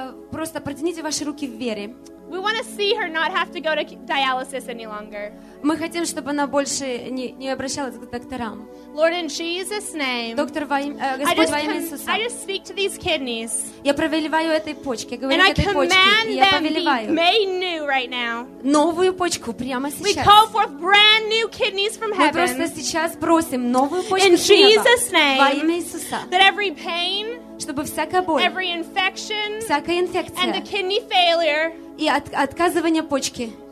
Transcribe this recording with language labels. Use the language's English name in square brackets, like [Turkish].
[Russian] Просто протяните ваши руки в вере. [English] We want to see her not have to go to dialysis any longer. [Russian] Мы хотим, чтобы она больше не обращалась к докторам. [English] Lord, in Jesus' name. [Russian] Доктор, Господь, во имя Иисуса. [English] I just speak to these kidneys. [Russian] Я повелеваю этой почке, говорю этой почке. [English] And I command them be made new right now. [Russian] Новую почку прямо сейчас. [English] We call forth brand new kidneys from heaven. [Russian] Мы просто сейчас просим новую почку. [English] In Jesus' name. [Russian] Во имя Иисуса. [English] That every pain. [Russian] Чтобы всякая боль. [English] Every infection. [Russian] Всякая инфекция. [English] And the kidney failure. [Russian] И отказывание почки.